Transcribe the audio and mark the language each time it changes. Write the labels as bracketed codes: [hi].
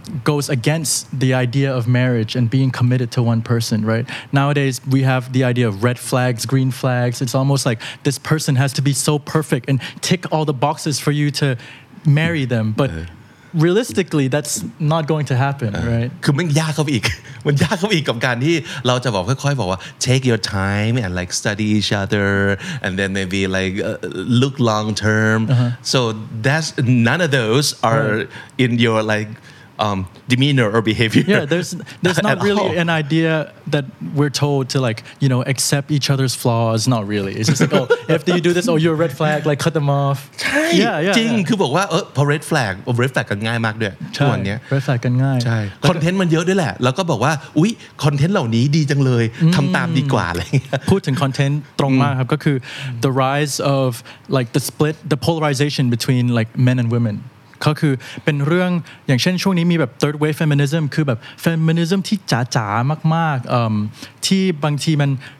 [en] goes against the idea of marriage and being committed to one person right nowadays we have the idea of red flags green flags it's almost like this person has to be so perfect and tick all the boxes for you to marry them but realistically that's not going to happen right [th] คือมันยากเข้าอีกมันยากเข้าอีกกับการที่เราจะบอกค่อยๆบอกว่า [en] take your time and like study each other and then maybe like look long term so that's none of those are in your likedemeanor or behavior yeah there's not really an idea that we're told to like you know accept each other's flaws not really it's just like oh after you do this oh you're a red flag like cut them off [th] ใช่ yeah, yeah, จริง yeah. คือบอกว่าพอ red flag red flag กันง่ายมากด้วยทุกวันนี้ red flag กันง่าย ใช่คอนเทนต์มันเยอะด้วยแหละแล้วก็บอกว่าอุ๊ยคอนเทนต์เหล่านี้ดีจังเลย ทำตามดีกว่าอะไรเงี้ย พูดถึงคอนเทนต์ตรงมากครับก็คือ [en] the rise of like the split the polarization between like men and women [th] ก็คือเป็นเรื่องอย่างเช่นช่วงนี้มีแบบ third wave feminism คือแบบ feminism ที่จ๋าๆมากๆที่บางทีมัน